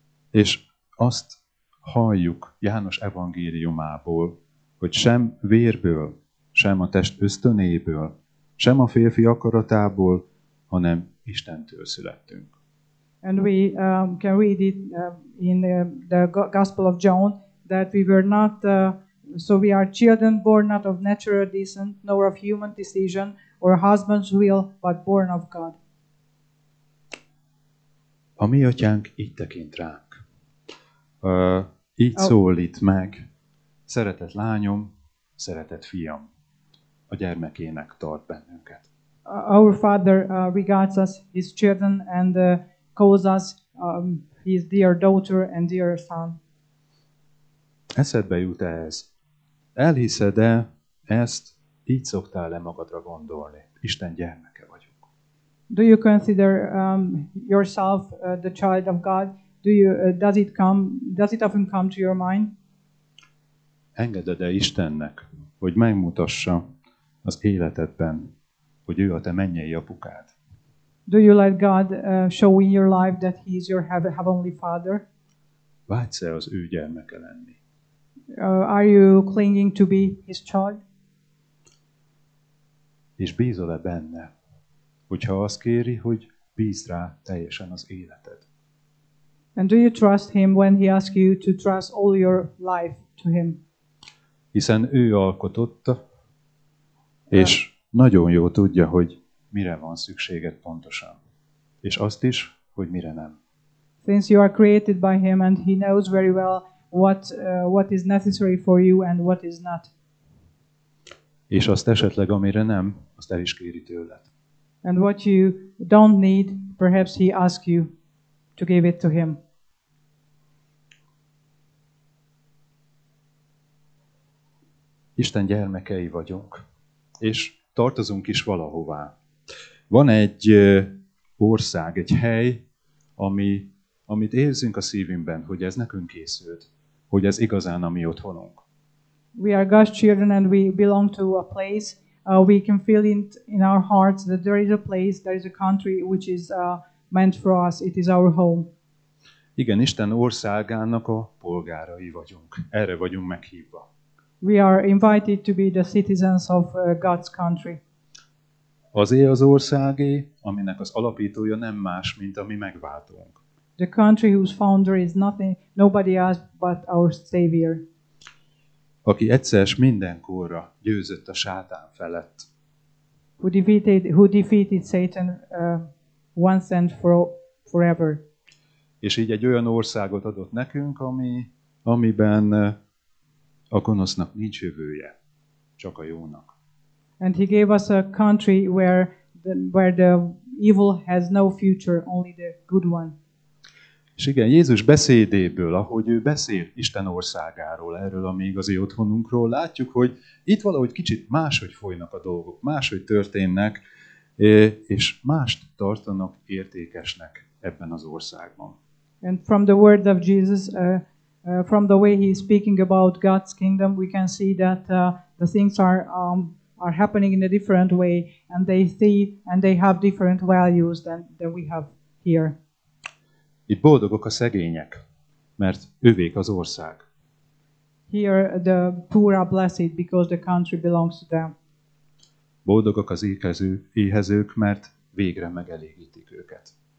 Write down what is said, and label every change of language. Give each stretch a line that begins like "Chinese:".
Hungarian: És azt halljuk János evangéliumából, hogy sem vérből, sem a test ösztönéből, sem a férfi akaratából, hanem Istentől születtünk.
English: And we can read it in the Gospel of John that we were not so we are children born not of natural descent nor of human decision or husband's will but born of God.
Hungarian: A mi atyánk így tekint rá. Így szólít meg, szeretett lányom, szeretett fiam, a gyermekének tart bennünket.
English: Our Father regards us his children and calls us his dear daughter and dear son.
Hungarian: Eszedbe jut ez? Elhiszed-e ezt? Így szoktál-e magadra gondolni? Isten gyermeke vagyok.
English: Do you consider yourself the child of God? Does it often come to your mind?
Hungarian: Engeded-e Istennek, hogy megmutassa az életedben, hogy ő a te mennyei apukád?
English: Do you let God show in your life that he is your heavenly father?
Hungarian: Vágysz-e az ő gyermeke lenni?
English: Are you clinging to be his child?
Hungarian: És bízol-e benne, hogyha azt kéri, hogy bízd rá teljesen az életed?
English: And do you trust him when he asks you to trust all your life to him?
Hungarian: Hiszen ő alkototta, és nagyon jó tudja, hogy mire van szükséged pontosan. És azt is, hogy mire nem.
English: Since you are created by him and he knows very well what is necessary for you and what is not.
Hungarian: És azt esetleg, amire nem, azt el is kéri tőled.
English: And what you don't need, perhaps he asks you to give it to him.
Hungarian: Isten gyermekei vagyunk, és tartozunk is valahová. Van egy ország, egy hely, amit érzünk a szívünkben, hogy ez nekünk készült, hogy ez igazán a mi otthonunk.
English: We are God's children and we belong to a place. We can feel it in our hearts that there is a place, there is a country which is meant for us. It is our home.
Hungarian: Igen, Isten országának a polgárai vagyunk. Erre vagyunk meghívva.
English: We are invited to be the citizens of God's country.
Hungarian: Azé az országé, aminek az alapítója nem más, mint a mi megváltónk.
English: The country whose founder is nothing, nobody else but our Savior.
Hungarian: Aki egyszer s mindenkorra győzött a sátán felett.
English: Who defeated Satan once and forever.
Hungarian: És így egy olyan országot adott nekünk, amiben a gonosznak nincs jövője, csak a jónak.
English: And he gave us a country where the evil has no future, only the good one.
Hungarian: És igen, Jézus beszédéből, ahogy ő beszél Isten országáról, erről a mi igazi otthonunkról, látjuk, hogy itt valahogy kicsit máshogy folynak a dolgok, máshogy történnek, és mást tartanak értékesnek ebben az országban.
English: And from the word of Jesus, from the way he is speaking about God's kingdom, we can see that the things are happening in a different way, and they see and they have different values than we have here.
Hungarian: Itt boldogok a szegények, mert övék az ország.
English: Here the poor are blessed because the country belongs to them.
Hungarian: Boldogok az éhezők, mert végre megelégítik őket.